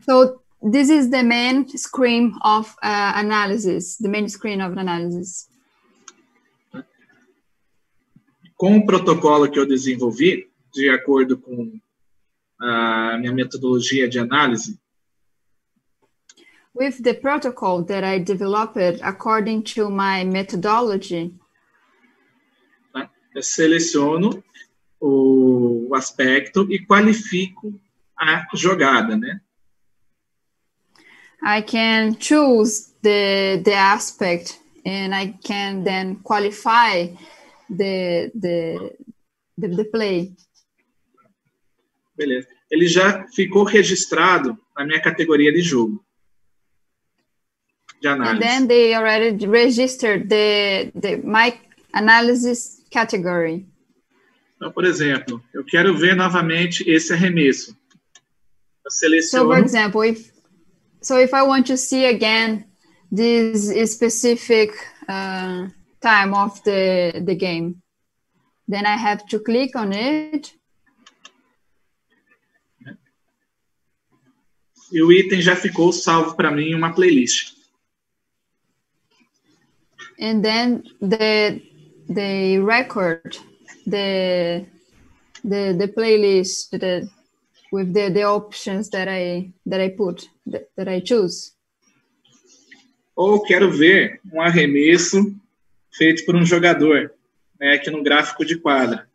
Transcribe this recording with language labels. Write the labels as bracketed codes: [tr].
[en] So, this is the main screen of analysis. The main screen of analysis. [pt] Com o protocolo que eu desenvolvi, de acordo com a minha metodologia de análise, [en] with the protocol that I developed according to my methodology. [pt] Eu seleciono o aspecto e qualifico a jogada, né? [en] I can choose the aspect and I can then qualify the play. [pt] Beleza. Ele já ficou registrado na minha categoria de jogo. [en] And then they already registered the my analysis category. [pt] Então, por exemplo, eu quero ver novamente esse arremesso. Eu seleciono. [en] So, for example, if I want to see again this specific time of the game, then I have to click on it. [pt] E o item já ficou salvo para mim em uma playlist. [en] And then the record the playlist with the options that I put that I choose. [pt] Ou quero ver um arremesso feito por um jogador, né, aqui no gráfico de quadra.